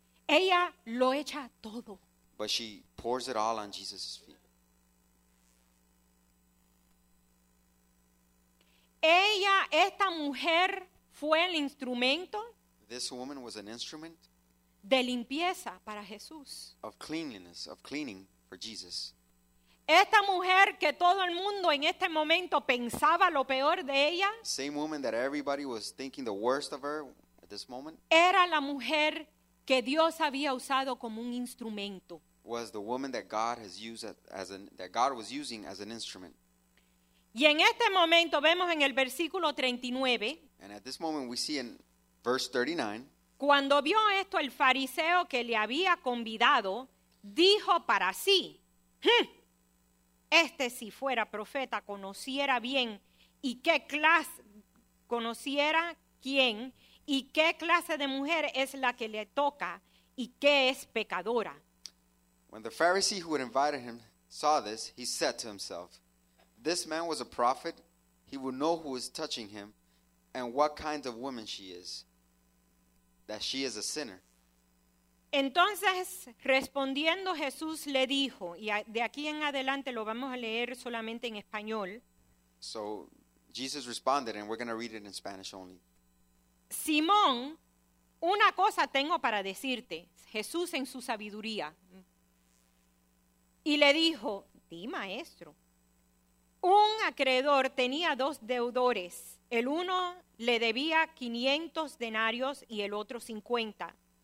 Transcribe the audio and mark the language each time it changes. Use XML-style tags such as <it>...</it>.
<es>Ella lo echa todo.</es> <en>But she pours it all on Jesus' feet.</en> <es>Ella, esta mujer, fue el instrumento.</es> <en>This woman was an instrument.</en> <es>De limpieza para Jesús.</es> <en>Of cleanliness, of cleaning for Jesus.</en> <es>Esta mujer que todo el mundo en este momento pensaba lo peor de ella.</es> <en>Same woman that everybody was thinking the worst of her at this moment.</en> <es>Era la mujer que Dios había usado como un instrumento.</es> <en>Was the woman that God has used as an, that God was using as an instrument.</en> <es>Y en este momento vemos en el versículo 39.</es> <en>And at this moment we see in verse 39.</en> <es>Cuando vio esto el fariseo que le había convidado, dijo para sí, este si fuera profeta conociera bien y qué clase, conociera quién y qué clase de mujer es la que le toca y qué es pecadora.</es> <en>When the Pharisee who had invited him saw this, he said to himself, this man was a prophet, he would know who is touching him and what kind of woman she is. That she is a sinner.</en> <es>Entonces, respondiendo Jesús le dijo, y de aquí en adelante lo vamos a leer solamente en español.</es> <en>So, Jesus responded, and we're going to read it in Spanish only.</en> <es>Simón, una cosa tengo para decirte, Jesús en su sabiduría. Y le dijo, di maestro. Un acreedor tenía dos deudores. El uno le debía 500 denarios y el otro 50.</es>